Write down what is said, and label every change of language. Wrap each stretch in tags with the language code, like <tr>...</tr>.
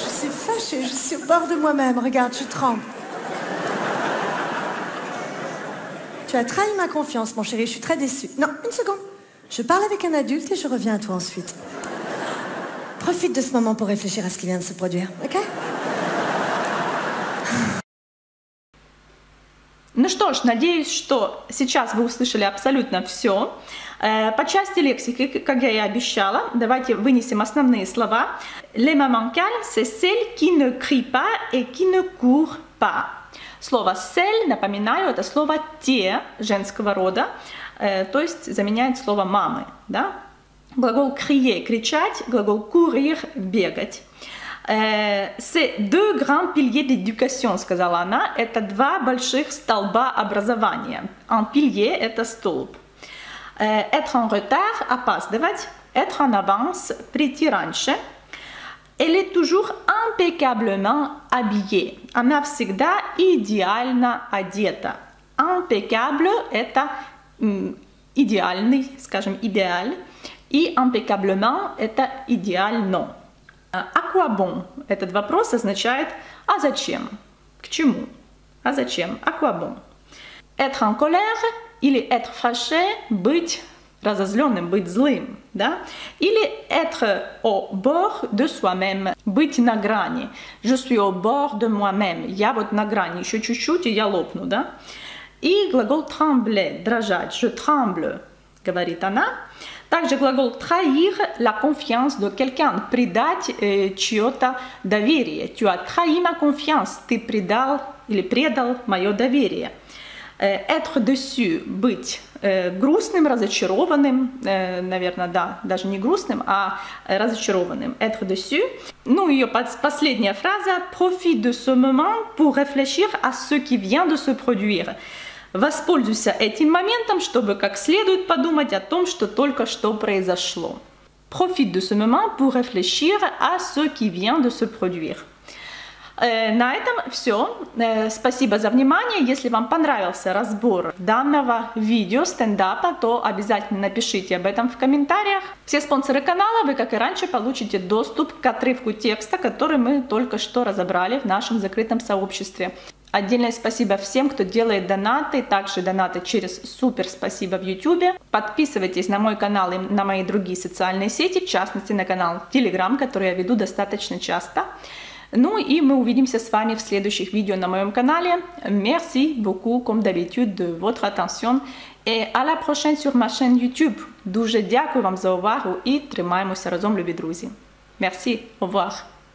<fr>Fâchée, je suis au bord de moi-même, regarde, je tremble. Tu as trahi ma confiance, mon chéri, je suis très déçue. Non, une seconde. Je parle avec un adulte et je reviens à toi ensuite. Profite de ce moment pour réfléchir à ce qui vient de se produire, ok?</fr> <ru>Ну что ж, надеюсь, что сейчас вы услышали абсолютно все. По части лексики, как я и обещала, давайте вынесем основные слова.</ru> <fr>Les mamans calmes, c'est celle qui ne crie pas et qui ne court pas.</fr> <ru>Слово «celle», напоминаю, это слово «те» женского рода, то есть заменяет слово «мамы». Да? Глагол «crier» – кричать, глагол «courir» – бегать.</ru> <fr>C'est deux grands piliers d'éducation,</fr> <ru>сказала она. Это два больших столба образования. Un pilier – это столб. Être en retard – опаздывать.</ru> <fr>être en avance,</fr> <ru>прийти раньше.</ru> <fr>Elle est toujours impeccablement habillée.</fr> <ru>Она всегда идеально одета. Impeccable – это идеальный, скажем, идеал. И impeccablement – это идеально.</ru> <fr>À quoi bon?</fr> <ru>Этот вопрос означает «А зачем?» К чему? А зачем?</ru> <fr>À quoi bon?</fr> <ru>Être en colère или être fâché – быть разозлённым, быть злым, да? Или être au bord de soi-même, быть на грани.</ru> <fr>Je suis au bord de moi-même.</fr> <ru>Я вот на грани, ещё чуть-чуть, и я лопну, да? И глагол trembler, дрожать.</ru> <fr>Je tremble,</fr> <ru>говорит она. Также глагол trahir la confiance de quelqu'un, предать чьё-то доверие.</ru> <fr>Tu as trahi ma confiance,</fr> <ru>ты предал или предал моё доверие. Être déçu, быть грустным, разочарованным, наверное, да, даже не грустным, а разочарованным. Être déçu. Ну, ее последняя фраза.</ru> <fr>Profite de ce moment pour réfléchir à ce qui vient de se produire.</fr> <ru>Воспользуйся этим моментом, чтобы как следует подумать о том, что только что произошло.</ru> <fr>Profite de ce moment pour réfléchir à ce qui vient de se produire.</fr> <ru>На этом все. Спасибо за внимание. Если вам понравился разбор данного видео стендапа, то обязательно напишите об этом в комментариях. Все спонсоры канала, вы, как и раньше, получите доступ к отрывку текста, который мы только что разобрали в нашем закрытом сообществе. Отдельное спасибо всем, кто делает донаты, также донаты через Супер Спасибо в YouTube. Подписывайтесь на мой канал и на мои другие социальные сети, в частности, на канал Telegram, который я веду достаточно часто. Ну и мы увидимся с вами в следующих видео на моем канале.</ru> <fr>Merci beaucoup, comme d'habitude, de votre attention. Et à la prochaine sur ma chaîne YouTube.</fr> <uk>Дуже дякую вам за увагу і тримаємося разом, любі друзі.</uk> <fr>Merci, au revoir.</fr>